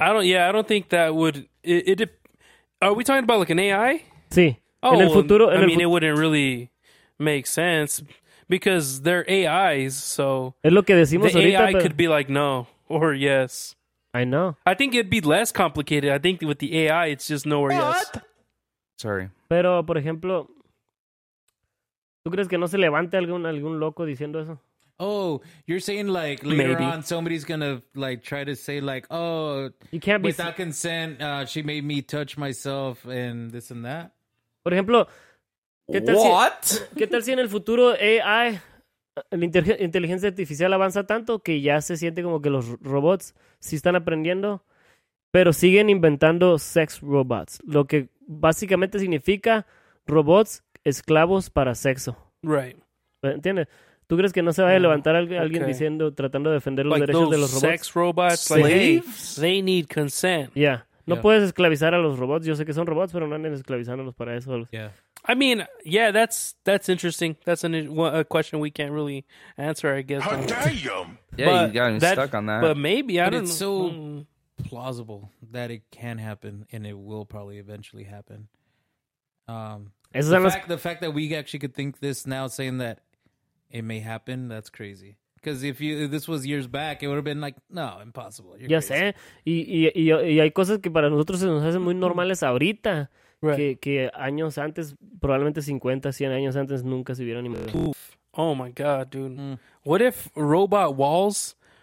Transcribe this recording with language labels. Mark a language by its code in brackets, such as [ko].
[en] I don't think that would... Are we talking about like an AI? Sí. Oh, [es] en el futuro, [en] it wouldn't really make sense because they're AIs, so... [es] Es lo que decimos [en] the [es] ahorita, [en] AI [es] pero... [en] could be like no or yes. I know. I think it'd be less complicated. I think with the AI, it's just no or yes. Sorry. [es] Pero, por ejemplo, ¿tú crees que no se levante algún loco diciendo eso? [en] Oh, you're saying, like, later maybe on, somebody's gonna, like, try to say, like, oh, you can't be without consent, she made me touch myself and this and that? [es] Por ejemplo, ¿qué tal, [en] what? [es] Si, ¿qué tal si en el futuro AI, la inteligencia artificial avanza tanto que ya se siente como que los robots sí están aprendiendo, pero siguen inventando sex robots, lo que básicamente significa robots esclavos para sexo. [en] Right. [es] ¿Entiendes? ¿Tú crees que no se vaya a levantar alguien diciendo, tratando de defender los [en] like [es] derechos de los robots? [en] Sex robots, like, slaves? Hey, they need consent. Yeah. [es] No puedes esclavizar a los robots. Yo sé que son robots, pero no andan esclavizándolos para eso. [en] Yeah. I mean, yeah, that's interesting. That's a question we can't really answer, I guess. Damn! Yeah, but you got stuck on that. But maybe, I but don't it's know. So... plausible that it can happen and it will probably eventually happen. The fact that we actually could think this now, saying that it may happen, that's crazy. Because if this was years back, it would have been like, no, impossible. [es] Ya sé. Y hay cosas que para nosotros se nos hacen muy normales ahorita. [en] Right. [es] Que años antes, probablemente 50, 100 años antes, nunca se hubieran imaginado. [en] Oof. Oh my God, dude. Mm. What if robot walls...